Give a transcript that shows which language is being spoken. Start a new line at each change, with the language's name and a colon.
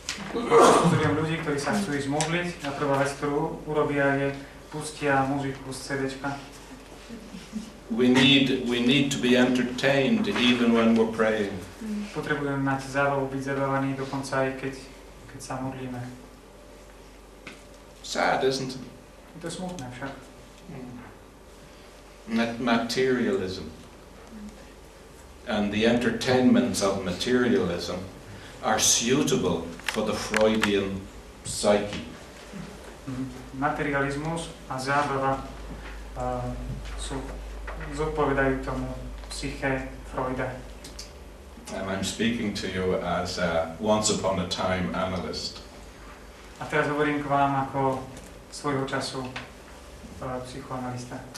Slovak: Pozorujem ľudí, ktorí sa chcú ísť modliť a prvá vec, ktorú urobia, je pustia muziku z CD-čka.
English: We need to be entertained even when we're praying.
Slovak: Potrebujeme mať zábavu, byť zabávaní dokonca aj keď sa modlíme.
English: Sad, isn't it?
Slovak: To je smutné však.
English: Materialism and the entertainments of materialism are suitable for the Freudian psyche.
Slovak: Materializmus a zábava sú zodpovedajú tomu psyché Freuda.
English: And I'm speaking to you as a once upon a time analyst.
Slovak: A teraz hovorím k vám ako svojho času psychoanalista.